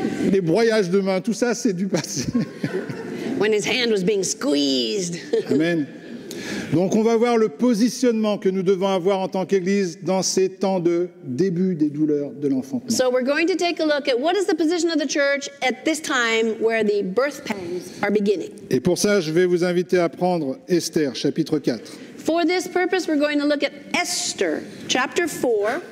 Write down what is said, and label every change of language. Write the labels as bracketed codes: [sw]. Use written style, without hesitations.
[fr] Les broyages de main, tout ça c'est du passé. [en] When his hand was being squeezed. [fr] Amen. Donc on va voir le positionnement que nous devons avoir en tant qu'Église dans ces temps de début des douleurs de l'enfantement. [en] So we're going to take a look at what is the position of the church at this time where the birth pains are beginning. [fr] Et pour ça, je vais vous inviter à prendre Esther, chapitre 4. [en] For this purpose, we're going to look at Esther, chapter 4.